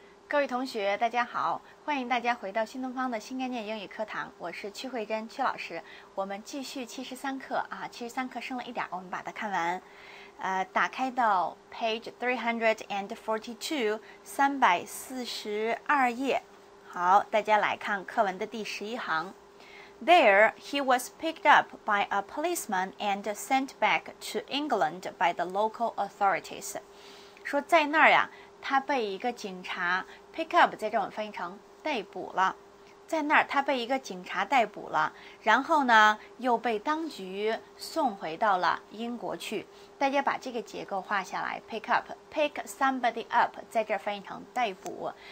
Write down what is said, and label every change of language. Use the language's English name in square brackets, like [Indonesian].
[Chinese] 各位同学大家好，欢迎大家回到新东方的新概念英语课堂，我是曲慧珍曲老师。我们继续73课啊，73课剩了一点，我们把它看完。打开到 page 342页。好，大家来看课文的第11行。 [English] There he was picked up by a policeman and sent back to England by the local authorities。 [Chinese] 说在那儿呀，他被一个警察 [English] pick up， [Chinese] 在这儿我们翻译成逮捕了，在那儿他被一个警察逮捕了，然后呢又被当局送回到了英国去。大家把这个结构画下来， [English] pick up， pick somebody up， [Chinese] 在这儿翻译成逮捕。